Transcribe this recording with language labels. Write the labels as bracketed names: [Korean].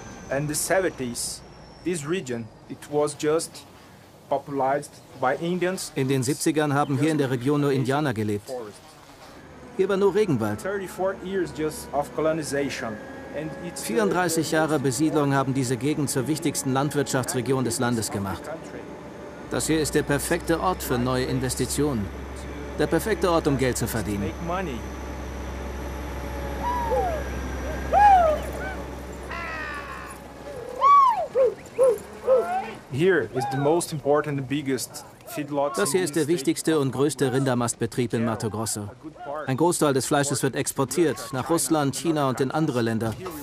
[English] In the 70s, this region, it was just popularized. [German] In den 70ern haben hier in der Region nur Indianer gelebt. Hier war nur Regenwald. [English] 34 years just of colonization. [German] 34 Jahre Besiedlung haben diese Gegend zur wichtigsten Landwirtschaftsregion des Landes gemacht. Das hier ist der perfekte Ort für neue Investitionen. Der perfekte Ort, um Geld zu verdienen. [English] Here is the most important and biggest feedlot. [German] Das hier ist der wichtigste und größte Rindermastbetrieb in Mato Grosso. Ein Großteil des Fleisches wird exportiert nach Russland, China und in andere Länder.